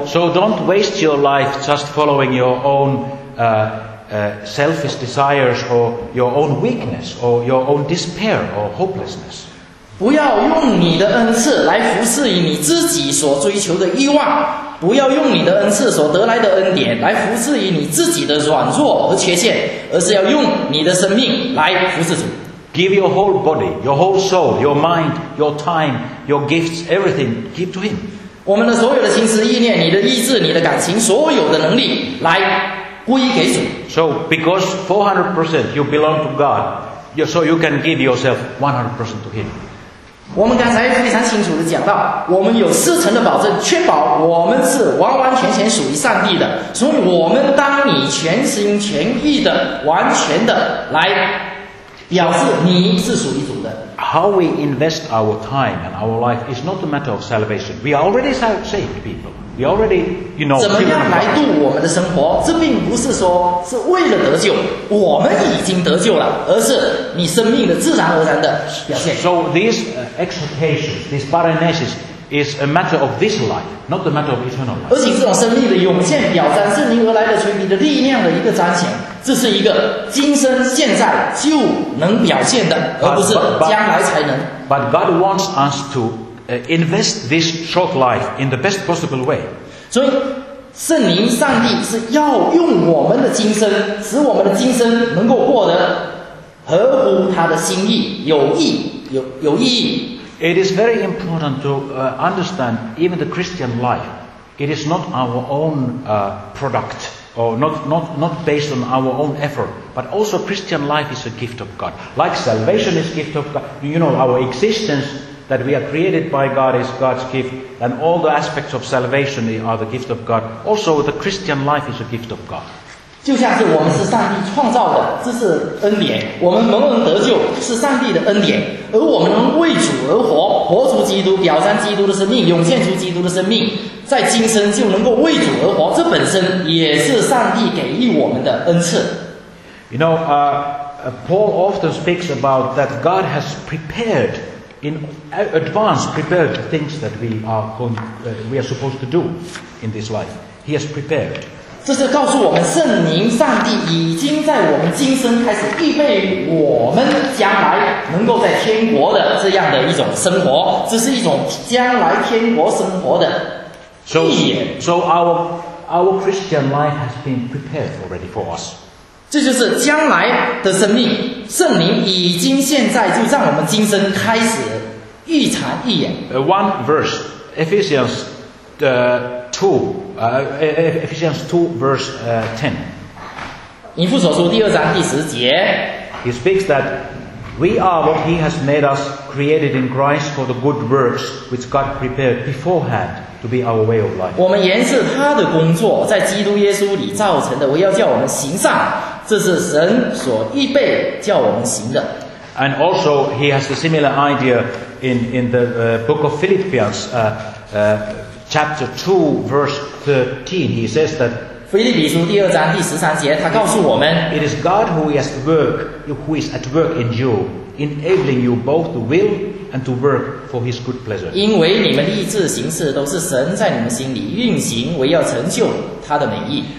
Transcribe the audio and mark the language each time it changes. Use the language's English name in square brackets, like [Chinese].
[English] So don't waste your life just following your own selfish desires, or your own weakness, or your own despair or hopelessness. [Chinese] 不要用你的恩赐来服侍于你自己所追求的欲望，不要用你的恩赐所得来的恩典来服侍于你自己的软弱和缺陷，而是要用你的生命来服侍主。 [English] Give your whole body, your whole soul, your mind, your time, your gifts, everything, give to him. [Chinese] 我们的所有的心思意念，你的意志，你的感情，所有的能力来归给主。 [English] So because 400% you belong to God, so you can give yourself 100% to him. [Chinese] 我们刚才非常清楚地讲到，我们有四层的保证，确保我们是完完全全属于上帝的。所以我们当你全心全意的完全的来表示你是属于主的。 [English] How we invest our time and our life is not a matter of salvation. We are already saved people. We already, you know, [Chinese] 怎么样来度我们的生活，这并不是说是为了得救，我们已经得救了，而是你生命的自然而然的表现。 [English] So thisexhortation, this paranesis is a matter of this life, not the matter of eternal life. [Chinese] 而且这种生命的涌现表彰，圣灵而来的垂民的力量的一个彰显，这是一个今生现在就能表现的，而不是将来才能。 [English] But God wants us to invest this short life in the best possible way. [Chinese] 所以圣灵上帝是要用我们的今生，使我们的今生能够过得合乎他的心意，有意义。 [English] It is very important to understand even the Christian life. It is not our own product, or not based on our own effort. But also Christian life is a gift of God. Like salvation is a gift of God. You know, our existence that we are created by God is God's gift. And all the aspects of salvation are the gift of God. Also the Christian life is a gift of God. [Chinese] 就像是我们是上帝创造的，这是恩典，我们蒙恩得救是上帝的恩典，而我们能为主而活，活出基督，表彰基督的生命，涌现出基督的生命，在今生就能够为主而活，这本身也是上帝给予我们的恩赐。 [English] You know, Paul often speaks about that God has prepared in advance prepared things that we are going, we are supposed to do in this life. He has prepared. [Chinese] 这是告诉我们，圣灵上帝已经在我们今生开始预备我们将来能够在天国的这样的一种生活，这是一种将来天国生活的预言。 [English] So our Christian life has been prepared already for us. [Chinese] 这就是将来的生命，圣灵已经现在就让我们今生开始预察预言。 [English] One verse, Ephesians, Ephesians 2 verse 10. [Chinese] 以弗所书第二章第十节。 [English] He speaks that we are what he has made us, created in Christ for the good works which God prepared beforehand to be our way of life. [Chinese] 我们原是他的工作，在基督耶稣里造成的，我要叫我们行善，这是神所预备叫我们行的。 [English] And also he has a similar idea in the book of Philippians, Chapter 2, verse 13, he says that [Chinese] 腓立比书第二章第十三节，他告诉我们 [English] It is God who is at work in you, enabling you both to will and to work for his good pleasure. [Chinese] 因为你们立志行事都是神在你们心里运行，为要成就他的美意。